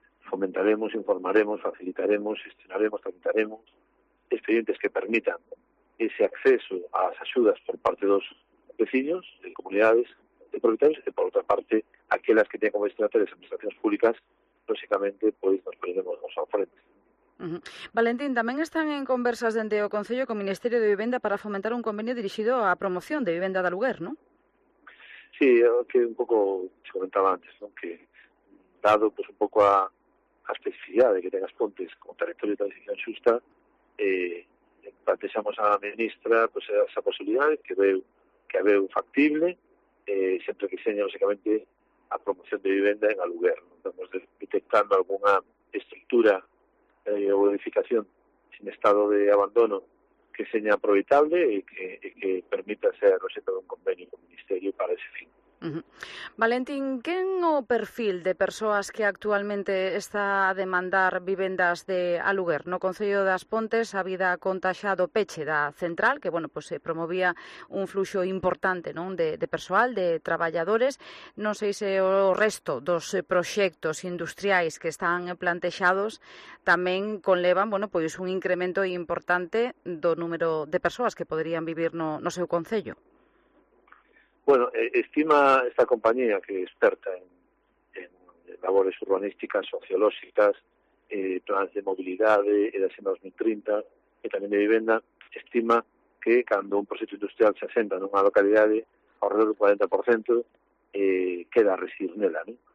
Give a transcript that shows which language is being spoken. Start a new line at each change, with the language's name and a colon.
Galician: fomentaremos, informaremos, facilitaremos, gestionaremos, tramitaremos expedientes que permitan ese acceso ás axudas por parte dos veciños, de comunidades, de propietarios, e, por outra parte, aquelas que ten como destinatarias administracións públicas, lógicamente, pois
Spanish: nos ponemos
Galician: ao frente. Uh-huh. Valentín, tamén están en conversas dende o Concello con o Ministerio de Vivenda para fomentar un convenio dirixido á promoción de vivenda de aluguer, non? Sí, que un pouco se comentaba antes, ¿no? Que dado pues, un pouco a especificidade que ten As Pontes como territorio de transición xusta, plantexamos a ministra pues,
Spanish: esa posibilidad
Galician: que veu factible, sempre que seña, lógicamente, a promoción de vivenda en aluguer, ¿no? Estamos detectando
Spanish: alguna estructura
Galician: ou edificación sin estado de abandono que seña aproveitable e que permita ser objeto de un convenio con o Ministerio para ese fin. Uh-huh. Valentín, quen o perfil de persoas que actualmente está a demandar vivendas de aluguer? No Concello das Pontes, a vida conta xa do peche da central, que, bueno, pues, se promovía un fluxo importante, non, de persoal, de traballadores. Non sei se o resto dos proxectos industriais que están plantexados tamén conlevan, bueno, pois un incremento importante do número de persoas que poderían vivir no seu concello.
Spanish: Bueno, estima esta compañía, que es experta en labores urbanísticas, sociológicas, planes de movilidad, de Agenda 2030 y también de vivienda, estima que cuando un proyecto industrial se asenta en una localidad, alrededor del 40% queda a residir en ella, ¿no?